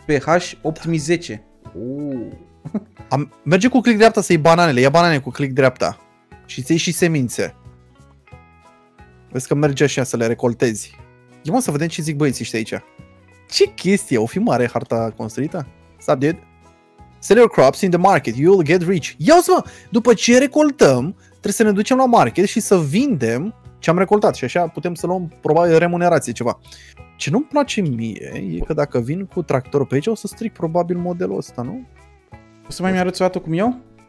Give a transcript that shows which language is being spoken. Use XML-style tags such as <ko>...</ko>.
<ro>pH 8-10. Da. Merge cu click dreapta să iei bananele, ia banane cu click dreapta. Și ți-ai și semințe. Vezi că merge așa să le recoltezi. Ia să vedem ce zic băieții ăștia aici. Ce chestie, o fi mare harta construită?</ro> <en>Stop, dude. Sell your crops in the market, you'll get rich.</en> <ro>Ia uite, mă, după ce recoltăm, trebuie să ne ducem la market și să vindem ce am recoltat. Și așa putem să luăm, probabil, remunerație, ceva. Ce nu-mi place mie e că dacă vin cu tractorul pe aici, o să stric probabil modelul ăsta, nu? O să mai mi-arăți o dată cum iau?</ro>